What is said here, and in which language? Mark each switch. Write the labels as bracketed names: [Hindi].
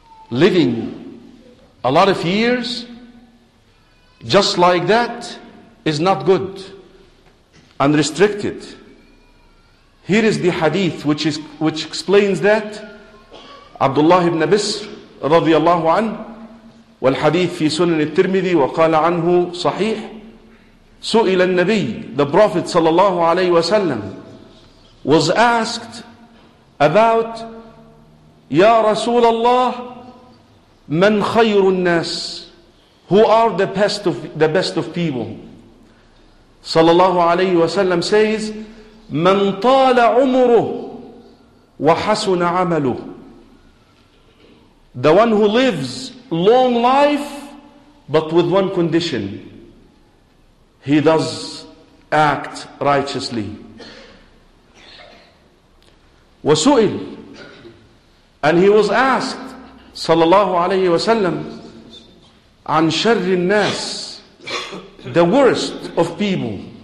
[English] Living a lot of years just like that is not good and restricted. Here is the hadith which explains that. [Arabic] Abdullah ibn Bisr رضي الله عنه والحديث في سنن الترمذي وقال عنه صحيح سئل النبي [English] the prophet [Arabic] صلى الله عليه وسلم [English] was asked about [Arabic] يا رسول الله من خير الناس [English] who are the best of people [Arabic] صلى الله عليه وسلم [English] says [Arabic] من طال عمره وحسن عمله [English] The one who lives long life, but with one condition. He does act righteously. [Arabic] وسئل [English] And he was asked, [Arabic] صلى الله عليه وسلم, عن شر الناس, [English] the worst of people.